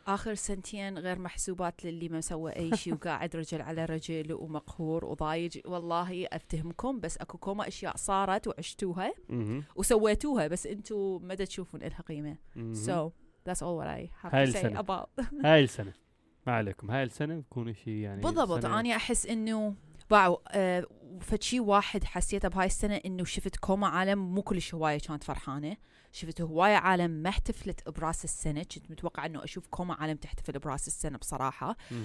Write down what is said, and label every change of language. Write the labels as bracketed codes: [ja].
[ar] آخر سنتين غير محسوبات للي ما سوى أي شيء وقاعد رجل على رجل ومقهور وضايج. والله أفتهمكم بس أكو كوما أشياء صارت وعشتوها وسويتوها بس أنتوا مدى تشوفون إلها قيمة. [en] So that's all what I have to say about. [ar] هاي السنة ما عليكم هاي السنة بكون شيء يعني. بالضبط أنا أحس إنه باعوا فشي واحد حسيته بهاي السنة إنه شفت كوما عالم مو كلش هواية كانت فرحانة. شفت هواية عالم ما احتفلت براس السنة. كنت متوقع إنه أشوف كوما عالم تحتفل براس السنة بصراحة.